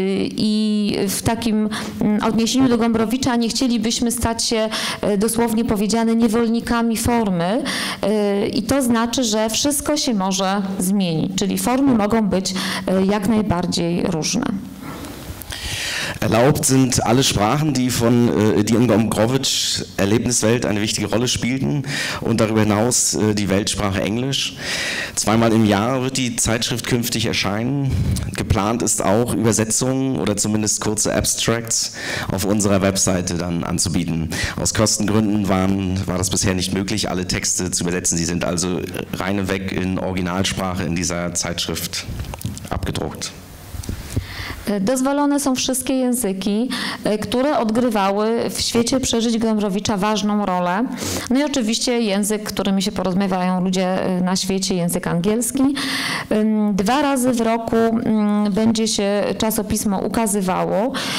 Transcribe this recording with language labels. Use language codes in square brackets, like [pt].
[pl] I w takim odniesieniu do Gombrowicza nie chcielibyśmy stać się, dosłownie powiedziane, niewolnikami formy, i to znaczy, że wszystko się może zmienić, czyli formy mogą być jak najbardziej różne. [de] Erlaubt sind alle Sprachen, die in Gombrowicz Erlebniswelt eine wichtige Rolle spielten und darüber hinaus die Weltsprache Englisch. Zweimal im Jahr wird die Zeitschrift künftig erscheinen. Geplant ist auch, Übersetzungen oder zumindest kurze Abstracts auf unserer Webseite dann anzubieten. Aus Kostengründen war das bisher nicht möglich, alle Texte zu übersetzen. Sie sind also rein und weg in Originalsprache in dieser Zeitschrift abgedruckt. [pl] Dozwolone są wszystkie języki, które odgrywały w świecie przeżyć Gombrowicza ważną rolę. No i oczywiście język, którymi się porozmawiają ludzie na świecie, język angielski. Dwa razy w roku będzie się czasopismo ukazywało.